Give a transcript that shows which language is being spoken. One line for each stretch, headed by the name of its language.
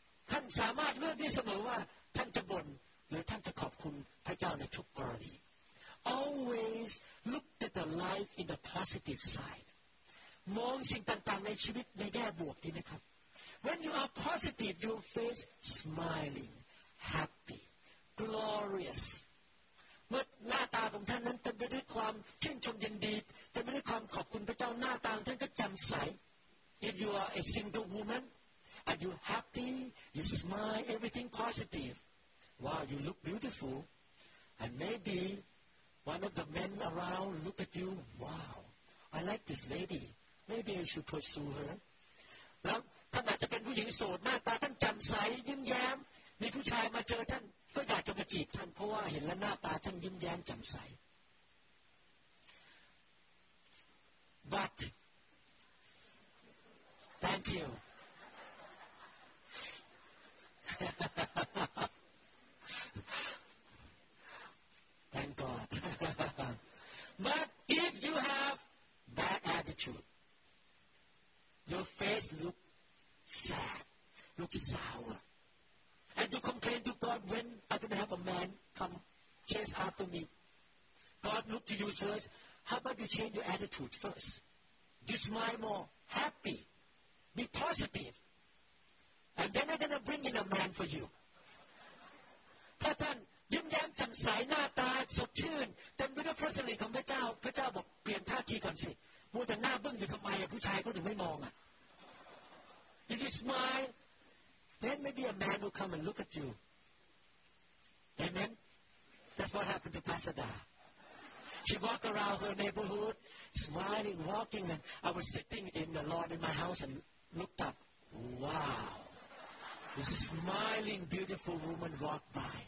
Thai: ท่านสามารถเลือกได้เสมอว่าท่านจะบ่นหรือท่านจะขอบคุณพระเจ้าในทุกกรณี
English: Always look at the life in the positive side
Thai: มองสิ่งต่างๆในชีวิตในแง่บวกดีไหมครับ
English: When you are positive, your face smiling, happy, glorious.
Thai: เมื่อหน้าตาของท่านนั้นเต็มไปด้วยความชื่นชมยินดีเต็มไปด้วยความขอบคุณพระเจ้าหน้าตาท่านก็แจ่มใส
English: If you are a single woman, and you happy, you smile, everything positive. Wow, you look beautiful. And maybe one of the men around look at you. Wow, I like this lady. Maybe I should pursue her.
Thai: Now,ท่านอาจจะเป็นผู้หญิงโสดหน้าตาท่านจำใสยิ้มแย้ม มีผู้ชายมาเจอท่านก็อยากจะมาจีบท่านเพราะว่าเห็นแล้วหน้าตาท่านยิ้มแย้มจำใส
English: but thank you thank God but if you have bad attitude your face lookSad, look sour, and you complain to God when I don't have a man come chase after me. God looked to you first. How about you change your attitude first? You smile more, happy, be positive, and then I'm gonna bring in a man for you.
Thai: ถ้าท่านยิ้มแย้มแจ่มใสหน้าตาสดชื่นเต็มไปด้วยพระสิริของพระเจ้าพระเจ้าบอกเปลี่ยนท่าทีก่อนสิมัวแต่หน้าบึ้งอยู่ทำไมผู้ชายก็ถึงไม่มองอ่ะ
English: If you smile, then maybe a man will come and look at you. Amen? That's what happened to Pasada. She walked around her neighborhood, smiling, walking, and I was sitting in the lawn in my house and looked up. Wow! This smiling, beautiful woman walked by.